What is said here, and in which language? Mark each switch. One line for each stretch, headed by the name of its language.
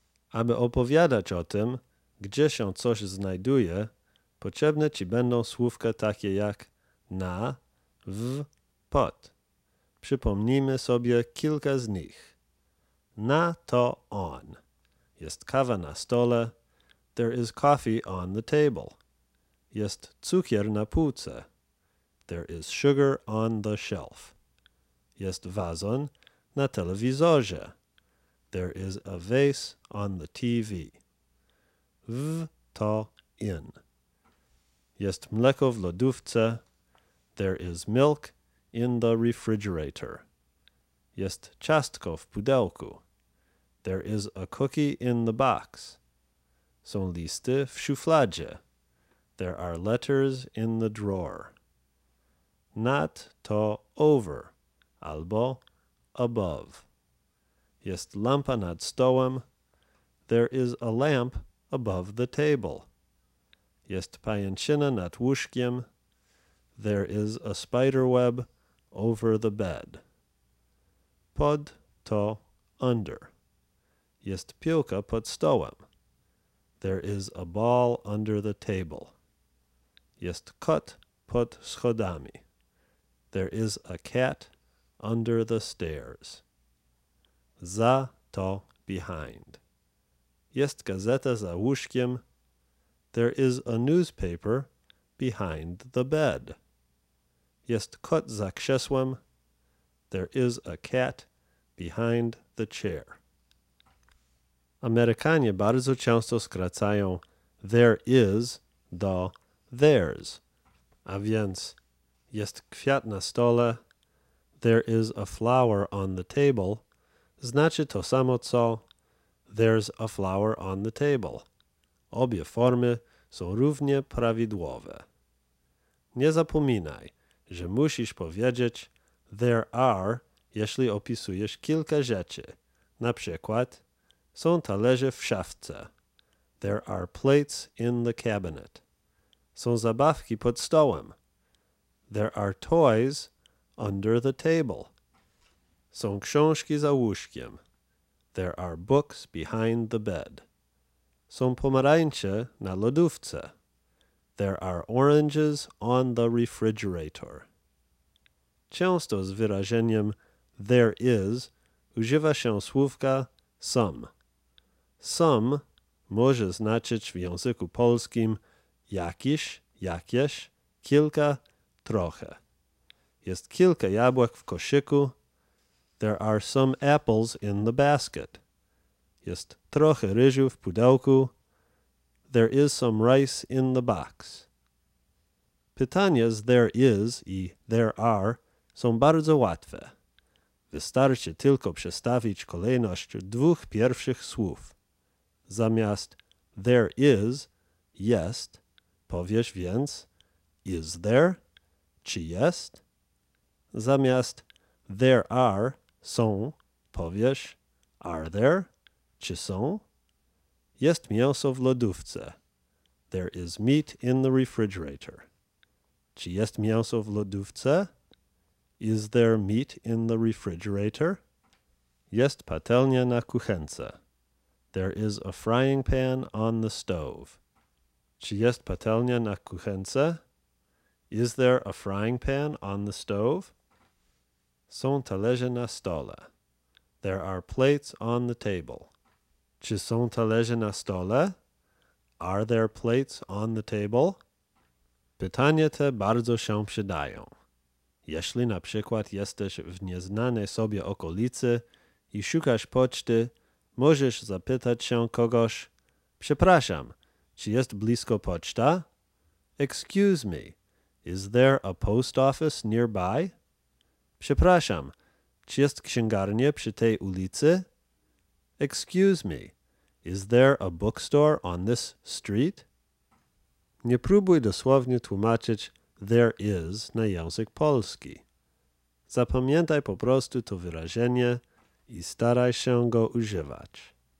Polish: Aby opowiadać o tym, gdzie się coś znajduje, potrzebne ci będą słówka takie jak na, w, pod. Przypomnijmy sobie kilka z nich. Na to on. Jest kawa na stole.
English: There is coffee on the table.
Polish: Jest cukier na półce.
English: There is sugar on the shelf.
Polish: Jest wazon na telewizorze.
English: There is a vase on the TV.
Polish: W to in. Jest mleko w lodówce.
English: There is milk in the refrigerator.
Polish: Jest ciastko w pudełku.
English: There is a cookie in the box.
Polish: Są listy w szufladzie.
English: There are letters in the drawer.
Polish: Not to over, albo above. Jest lampa nad stołem.
English: There is a lamp above the table.
Polish: Jest pajęczyna nad łóżkiem.
English: There is a spider web over the bed.
Polish: Pod to under. Jest piłka pod stołem.
English: There is a ball under the table.
Polish: Jest kot pod schodami.
English: There is a cat under the stairs.
Polish: Za to behind. Jest gazeta za łóżkiem.
English: There is a newspaper behind the bed.
Polish: Jest kot za krzesłem.
English: There is a cat behind the chair.
Polish: Amerykanie bardzo często skracają there is do theirs. A więc jest kwiat na stole.
English: There is a flower on the table.
Polish: Znaczy to samo co
English: there's a flower on the table.
Polish: Obie formy są równie prawidłowe. Nie zapominaj, że musisz powiedzieć there are, jeśli opisujesz kilka rzeczy. Na przykład, są talerze w szafce.
English: There are plates in the cabinet.
Polish: Są zabawki pod stołem.
English: There are toys under the table.
Polish: Są książki za łóżkiem.
English: There are books behind the bed.
Polish: Są pomarańcze na lodówce.
English: There are oranges on the refrigerator.
Polish: Często z wyrażeniem there is używa się słówka some. Some może znaczyć w języku polskim jakiś, jakieś, kilka, trochę. Jest kilka jabłek w koszyku.
English: There are some apples in the basket.
Polish: Jest trochę ryżu w pudełku.
English: There is some rice in the box.
Polish: Pytania z there is i there are są bardzo łatwe. Wystarczy tylko przestawić kolejność dwóch pierwszych słów. Zamiast there is, jest, powiesz więc is there, czy jest? Zamiast there are, są, powiesz are there, czy są? Jest mięso w lodówce.
English: There is meat in the refrigerator.
Polish: Czy jest mięso w lodówce?
English: Is there meat in the refrigerator?
Polish: Jest patelnia na kuchence.
English: There is a frying pan on the stove.
Polish: Czy jest patelnia na kuchence?
English: Is there a frying pan on the stove?
Polish: Są talerze na stole.
English: There are plates on the table.
Polish: Czy są talerze na stole?
English: Are there plates on the table?
Polish: Pytania te bardzo się przydają. Jeśli na przykład jesteś w nieznanej sobie okolicy i szukasz poczty, możesz zapytać się kogoś: przepraszam, czy jest blisko poczta?
English: Excuse me, is there a post office nearby?
Polish: Przepraszam, czy jest księgarnia przy tej ulicy?
English: Excuse me, is there a bookstore on this street?
Polish: Nie próbuj dosłownie tłumaczyć there is na język polski. Zapamiętaj po prostu to wyrażenie i staraj się go używać.